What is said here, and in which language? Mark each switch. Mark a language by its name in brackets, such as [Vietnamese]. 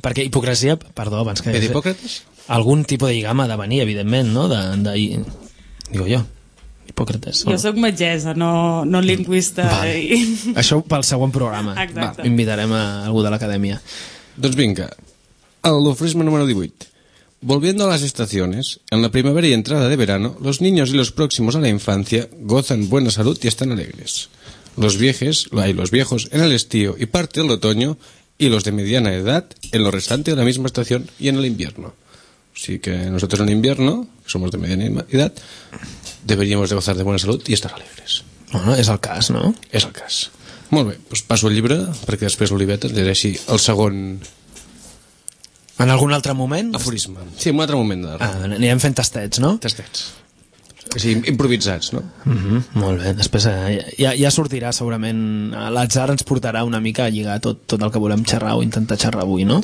[Catalan] Perquè hipocresia, perdó, abans que... Ve d'hipòcrates? Algun tipus de lligam ha de venir, evidentment, no? De... Digo jo. Hipòcrates. Jo sóc metgessa, no lingüista. Vale. I... Això pel següent programa. Exacte. Va, invitarem a algú de l'acadèmia. Doncs vinga. L'aforisme número 18. [Spanish] Volviendo a las estaciones, en la primavera y entrada de verano, los niños y los próximos a la infancia gozan buena salud y están alegres. Los viejos en el estío y parte del otoño, y los de mediana edad en lo restante de la misma estación y en el invierno. Así que nosotros en invierno, que somos de mediana edad, deberíamos de gozar de buena salud y estar alegres. Bueno, es el caso, ¿no? Es el caso. [Catalan] Molt bé, pues paso el llibre, perquè després l'Oliveta llegeixi el segon... En algun altre moment? Aforisme. Sí, en un altre moment. Ah, anirem fent tastets, no? Tastets. Sí, improvisats, no? Mm-hmm, molt bé, després ja sortirà segurament, l'atzar ens portarà una mica a lligar tot el que volem xerrar o intentar xerrar avui, no?